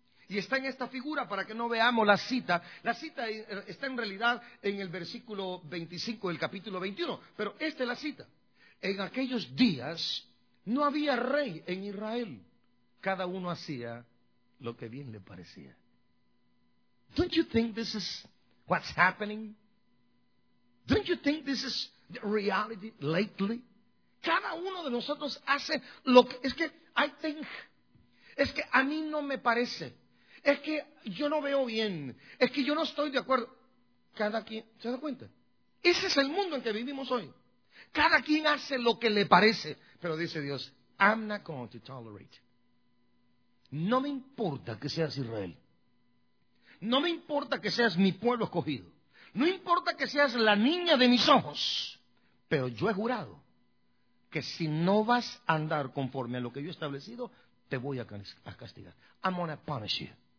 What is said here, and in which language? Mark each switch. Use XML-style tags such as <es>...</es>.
<es>Y está en esta figura para que no veamos la cita. La cita está en realidad en el versículo 25 del capítulo 21, pero esta es la cita. En aquellos días no había rey en Israel. Cada uno hacía lo que bien le parecía.</es> <en>Don't you think this is what's happening? Don't you think this is the reality lately?</en> <es>Cada uno de nosotros hace lo que... Es que</es> <en>I think.</en> <es>Es que a mí no me parece. Es que yo no veo bien. Es que yo no estoy de acuerdo. Cada quien... ¿Se da cuenta? Ese es el mundo en que vivimos hoy. Cada quien hace lo que le parece. Pero dice Dios,</es> <en>I'm not going to tolerate.</en> <es>No me importa que seas Israel. No me importa que seas mi pueblo escogido. No importa que seas la niña de mis ojos. Pero yo he jurado que si no vas a andar conforme a lo que yo he establecido, te voy a castigar.</es> <en>I'm going to punish you.</en>